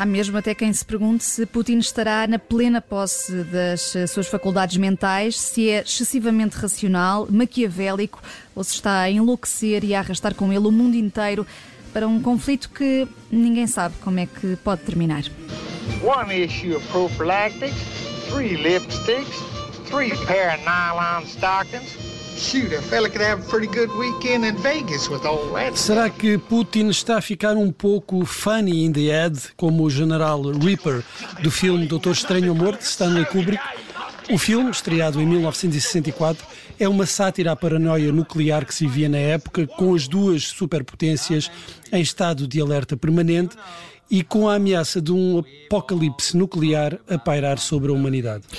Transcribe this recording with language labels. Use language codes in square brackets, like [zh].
[pt] Há mesmo até quem se pergunte se Putin estará na plena posse das suas faculdades mentais, se é excessivamente racional, maquiavélico, ou se está a enlouquecer e a arrastar com ele o mundo inteiro para um conflito que ninguém sabe como é que pode terminar. [en] One issue of prophylactics, three lipsticks, three pair of nylon stockings. Shoot, a fella could have a pretty good weekend in Vegas with all that. [pt] Será que Putin está a ficar um pouco [en] funny in the head, [pt] como o general Reaper do filme Doutor Estranho Amor, de Stanley Kubrick? O filme, estreado em 1964, é uma sátira à paranoia nuclear que se via na época, com as duas superpotências em estado de alerta permanente e com a ameaça de um apocalipse nuclear a pairar sobre a humanidade.